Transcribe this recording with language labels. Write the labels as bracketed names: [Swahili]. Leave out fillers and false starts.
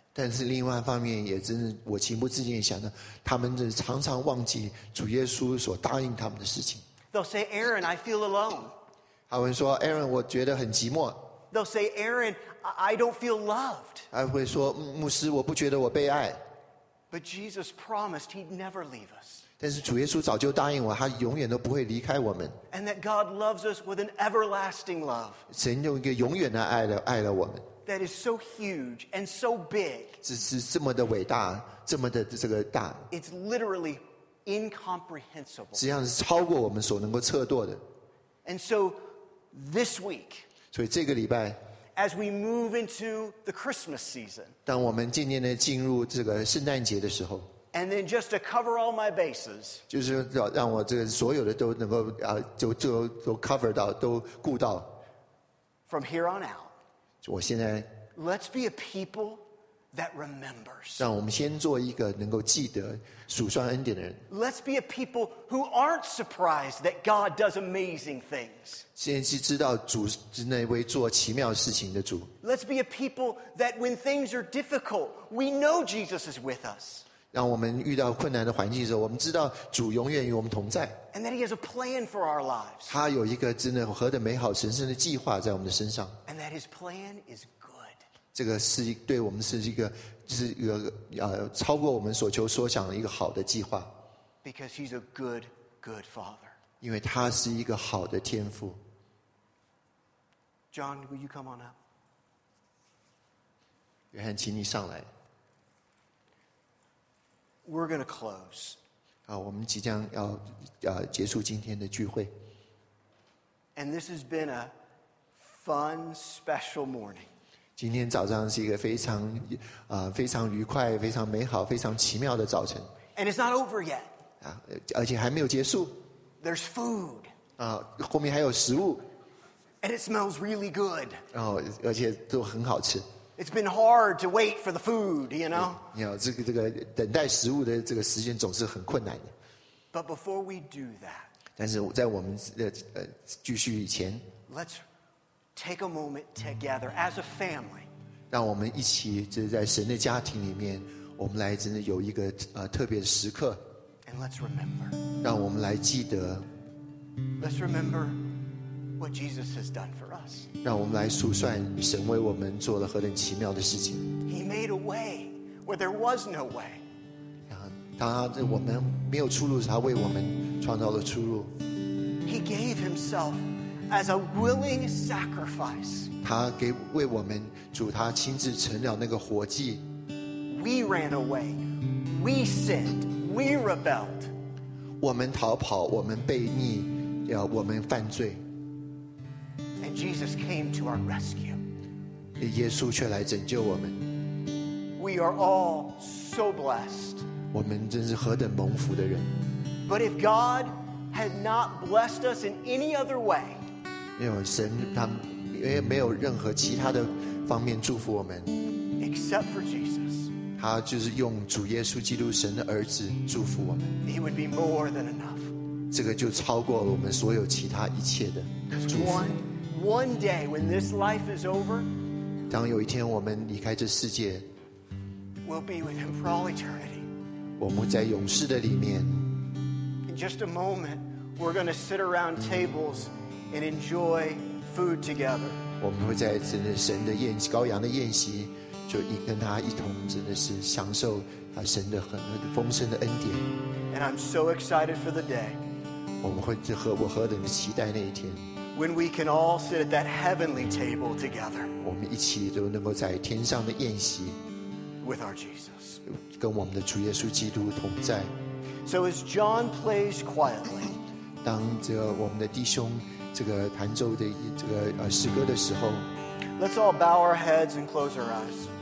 [Chinese] 但是另外一方面也真的我情不自禁想到他们常常忘记主耶稣所答应他们的事情。 [English] They'll say, Aaron, I feel alone. [Chinese] 他们说 Aaron, 我觉得很寂寞。 [English] They'll say, Aaron, I don't feel loved. [Chinese] 他会说牧师我不觉得我被爱。 [English] But Jesus promised he'd never leave us. [Chinese] 但是主耶稣早就答应我，他永远都不会离开我们。 [English] And that God loves us with an everlasting love. [Chinese] 神用一个永远的爱了我们。 [English] That is so huge and so big. [Chinese] 这是这么的伟大，这么的这个大。 [English] It's literally incomprehensible. [Chinese] 实际上是超过我们所能够测度的。 [English] And so this week. [Chinese] 所以这个礼拜。 [English] As we move into the Christmas season, [Chinese] 当我们渐渐地进入这个圣诞节的时候 [English] and then just to cover all my bases, [Chinese] 就是让我这个所有的都能够都 cover 到都顾到 [English] from here on out, [Chinese] 我现在 [English] let's be a people that remembers, [Chinese] 让我们先做一个能够记得数算恩典的人 [English] let's be a people who aren't surprised that God does amazing things. [Chinese] 先是知道主是那位做奇妙事情的主。 [English] Let's be a people that when things are difficult, we know Jesus is with us. [Chinese] 让我们遇到困难的环境的时候，我们知道主永远与我们同在。 [English] And that He has a plan for our lives. [Chinese] 他有一个真的何等美好神圣的计划在我们的身上。 [English] And that His plan is good. [Chinese] 这个是对我们是一个是一个超过我们所求所想的一个好的计划。 [English] Because He's a good, good Father. [Chinese] 因为他是一个好的天父。 [English] John, will you come on up? [Chinese] 约翰，请你上来。 [English] We're going to close. [Chinese] 我们即将要结束今天的聚会。 [English] And this has been a fun, special morning. [Chinese] 今天早上是一个非常非常愉快、非常美好、非常奇妙的早晨。 [English] And it's not over yet. [Chinese] 而且还没有结束。 [English] There's food. [Chinese] 后面还有食物。 [English] And it smells really good. [Chinese] 而且都很好吃。 [English] It's been hard to wait for the food, you know? You know, [Chinese] 等待食物的这个时间总是很困难的。 [English] But before we do that, [Chinese] 但是在我们继续以前, [English] let's take a moment together as a family. [Chinese] 让我们一起就在神的家庭里面，我们来真的有一个特别的时刻。 [English] And let's remember. [Chinese] 让我们来记得。 [English] Let's remember. What Jesus has done for us. [Chinese] 让我们来数算神为我们做了何等奇妙的事情。 [English] He made a way where there was no way. [Chinese] 当我们没有出路，他为我们创造了出路。 [English] He gave himself as a willing sacrifice. [Chinese] 他给为我们主，他亲自成了那个活祭。 [English] We ran away. We sinned. We rebelled. [Chinese] 我们逃跑，我们悖逆，我们犯罪。 [English] Jesus came to our rescue. [Chinese] 耶稣却来拯救我们。 [English] We are all so blessed. [Chinese] 我们真是何等蒙福的人。 [English] But if God had not blessed us in any other way, [Chinese] 因为神他没有任何其他的方面祝福我们。 [English] Except for Jesus. [Chinese] 他就是用主耶稣基督神的儿子祝福我们。 [English] He would be more than enough. [Chinese] 这个就超过了我们所有其他一切的祝福。 [English] One day when this life is over, [Chinese] 当有一天我们离开这世界, [English] we'll be with him for all eternity. [Chinese] 我们在永世的里面。 [English] In just a moment, we're going to sit around tables and enjoy food together. [Chinese] 我们会在真的神的宴席、羔羊的宴席，就跟他一同真的是享受神的很丰盛的恩典。 [English] And I'm so excited for the day. [Chinese] 我们会我何等的期待那一天。 [English] When we can all sit at that heavenly table together, [Chinese] 我们一起都能够在天上的宴席 [English] with our Jesus, [Chinese] 跟我们的主耶稣基督同在。 [English] So as John plays quietly, [Chinese] 当这个我们的弟兄这个弹奏的这个诗歌的时候 [English] ，Let's all bow our heads and close our eyes.